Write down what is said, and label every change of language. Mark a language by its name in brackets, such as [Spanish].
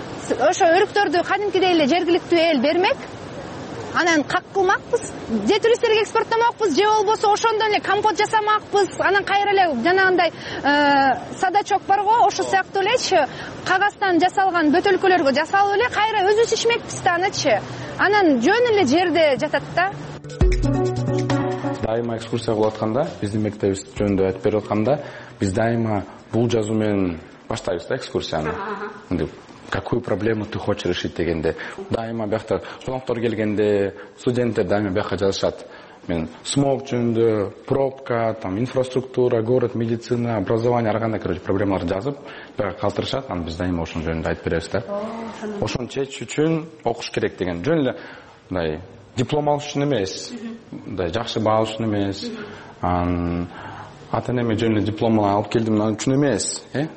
[Kyrgyz] Ошол өрүктөрдү кадимкидей эле жергиликтүү эл бермек, анан как кылмакпыз, же туристтерге экспорттомокпуз, же болбосо ошондон эле компот жасамакпыз, анан кайра эле жанагындай садачок бар го, ошо сыяктуу элечи, кагаздан жасалган бөтөлкөлөргө жасалып эле кайра өзүбүз ичмекпиз да анычы. Анан жөн эле жерде жатат да. Дайыма экскурсия кылып атканда, биздин мектебибиз жөнүндө айтып берип атканда, биз дайыма бул жазуу менен баштайбыз да экскурсияны. [Russian] какую проблему ты хочешь решить [Kyrgyz] дегенде. Дайыма бияктар коноктор келгенде студенттер дайыма бияка жазышат. Мен смог жөнүндө, пробка, там инфраструктура, город, медицина, образование, ар кандай короче проблемаларды жазып, бияка калтырышат, анан биз дайыма ошону жөнүндө айтып беребиз да. Ошону чечүү үчүн окуш керек деген. Жөн эле мындай диплом алыш үчүн эмес, мындай жакшы баа алыш үчүн эмес, ата энеме жөн эле диплом алып келдим анан үчүн эмес, э?